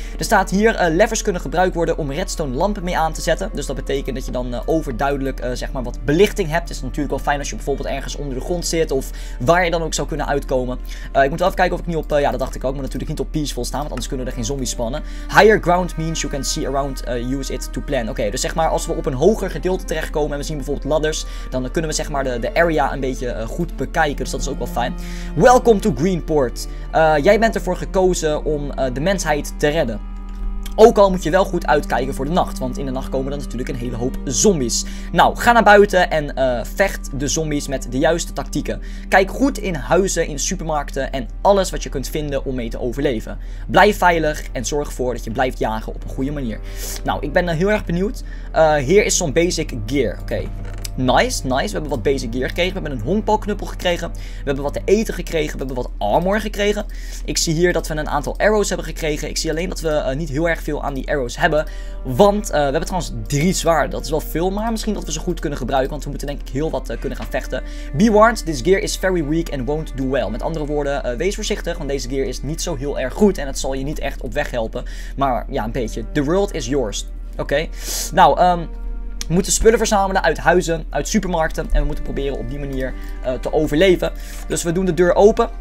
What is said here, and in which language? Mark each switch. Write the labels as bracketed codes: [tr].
[nl] Er staat hier, levers kunnen gebruikt worden om redstone lampen mee aan te zetten. Dus dat betekent dat je dan overduidelijk zeg maar wat belichting hebt. Is natuurlijk wel fijn als je bijvoorbeeld ergens onder de grond zit. Of waar je dan ook zou kunnen uitkomen. Ik moet wel even kijken of ik niet op, ja dat dacht ik ook. Maar natuurlijk niet op peaceful staan, want anders kunnen er geen zombies spannen. [en] Higher ground means you can see around, use it to plan. [nl] Oké, dus zeg maar als we op een hoger gedeelte terechtkomen en we zien bijvoorbeeld ladders. Dan kunnen we zeg maar de area een beetje goed bekijken, dus dat is ook wel fijn. [en] Welcome to Greenport. [nl] Jij bent ervoor gekozen om de mensheid te redden. Ook al moet je wel goed uitkijken voor de nacht, want in de nacht komen dan natuurlijk een hele hoop zombies. Nou, ga naar buiten en vecht de zombies met de juiste tactieken. Kijk goed in huizen, in supermarkten en alles wat je kunt vinden om mee te overleven. Blijf veilig en zorg ervoor dat je blijft jagen op een goede manier. Nou, ik ben heel erg benieuwd. Hier is zo'n basic gear. Oké. Nice, nice. We hebben wat basic gear gekregen. We hebben een honkbalknuppel gekregen. We hebben wat te eten gekregen. We hebben wat armor gekregen. Ik zie hier dat we een aantal arrows hebben gekregen. Ik zie alleen dat we niet heel erg veel aan die arrows hebben. Want we hebben trouwens 3 zwaarden. Dat is wel veel, maar misschien dat we ze goed kunnen gebruiken. Want we moeten denk ik heel wat kunnen gaan vechten. [en] Be warned, this gear is very weak and won't do well. [nl] Met andere woorden, wees voorzichtig. Want deze gear is niet zo heel erg goed. En het zal je niet echt op weg helpen. Maar ja, een beetje. [en] The world is yours. [nl] Oké. Okay. Nou, we moeten spullen verzamelen uit huizen, uit supermarkten. En we moeten proberen op die manier te overleven. Dus we doen de deur open.